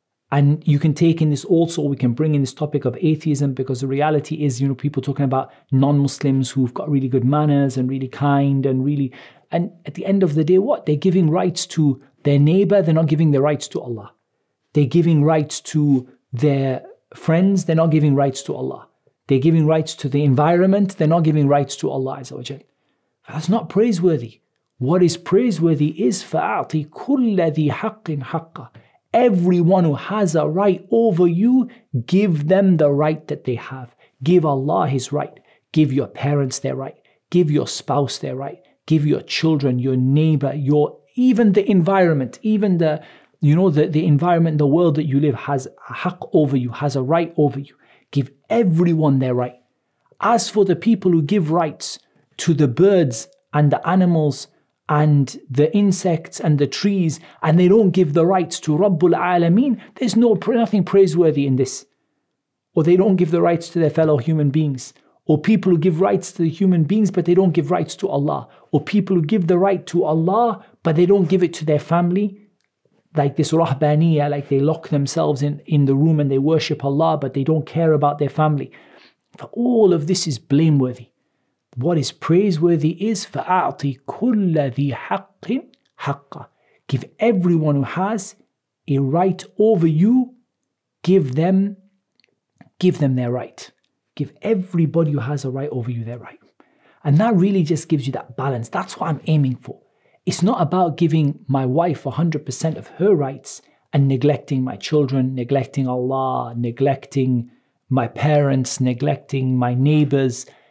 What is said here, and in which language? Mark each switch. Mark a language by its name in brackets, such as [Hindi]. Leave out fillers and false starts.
[English] And you can take in this also, we can bring in this topic of atheism, because the reality is, you know, people talking about non-Muslims who've got really good manners and really kind and really, and at the end of the day, what? They're giving rights to their neighbor, they're not giving their rights to Allah. They're giving rights to their friends, they're not giving rights to Allah. They're giving rights to the environment, they're not giving rights to Allah Azza wa Jal. That's not praiseworthy. [Arabic] What is praiseworthy is, فَأَعْطِ كُلَّ ذِي حَقٍ حَقَّ. [English] Everyone who has a right over you, give them the right that they have. Give Allah his right. Give your parents their right. Give your spouse their right. Give your children, your neighbor, your even the environment, even the, you know, the environment, the world that you live has a haq over you, has a right over you. Give everyone their right. As for the people who give rights to the birds and the animals and the insects and the trees, and they don't give the rights to Rabbul Alameen, there's nothing praiseworthy in this. Or they don't give the rights to their fellow human beings. Or people who give rights to the human beings, but they don't give rights to Allah. Or people who give the right to Allah, but they don't give it to their family. Like this rahbaniyah, like they lock themselves in the room and they worship Allah, but they don't care about their family. For all of this is blameworthy. [Arabic] What is praiseworthy is, فَأَعْطِ كُلَّ ذِي حَقٍ حَقَّ. [English] Give everyone who has a right over you, give them their right. Give everybody who has a right over you their right. And that really just gives you that balance. That's what I'm aiming for. It's not about giving my wife 100% of her rights and neglecting my children, neglecting Allah, neglecting my parents, neglecting my neighbors.